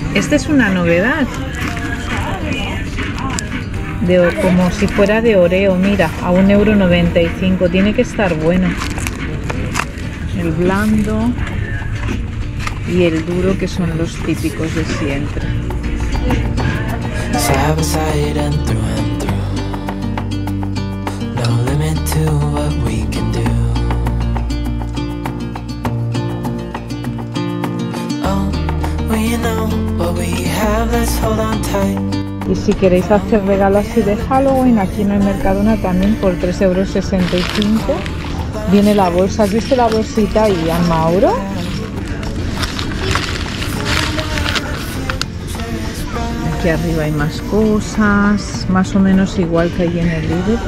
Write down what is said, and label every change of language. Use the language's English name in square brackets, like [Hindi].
[Spanish] Esta es una novedad, de, como si fuera de Oreo. Mira, a 1,95 €. Tiene que estar bueno. El blando y el duro, que son los típicos de siempre. [English] Side by side and through, no limit to what we can do. Oh, we know what we have, let's hold on tight. [Spanish] Y si queréis hacer regalos así de Halloween, aquí en el Mercadona también por 3,65 € viene la bolsa. ¿Has visto la bolsita ahí, a Mauro? Aquí arriba hay más cosas, más o menos igual que ahí en el Lidl.